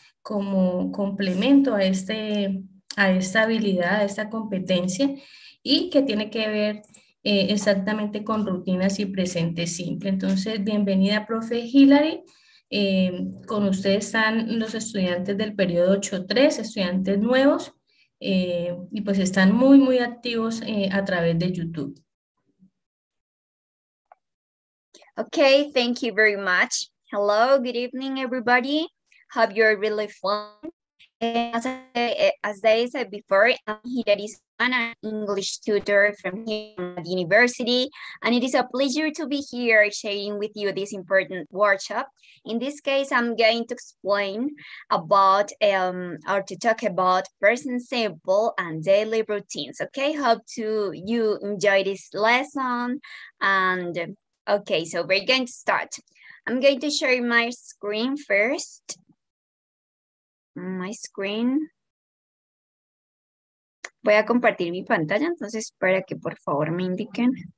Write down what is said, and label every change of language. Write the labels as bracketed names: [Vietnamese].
[Spanish] Como complemento a esta habilidad, a esta competencia, y que tiene que ver exactamente con rutinas y presente simple. Entonces, bienvenida, profe Hilary. Con usted están los estudiantes del periodo 8.3, estudiantes nuevos, y pues están muy, muy activos a través de YouTube. [English] Okay, thank you very much. Hello, good evening, everybody. Hope you're really fun. As I said before, I'm Hilary San, an English tutor from the university, and it is a pleasure to be here sharing with you this important workshop. In this case, I'm going to explain about, or to talk about present simple and daily routines. Okay, hope to you enjoy this lesson. And okay, so we're going to start. I'm going to share my screen first. My screen. [Spanish] Voy a compartir mi pantalla, entonces para que por favor me indiquen.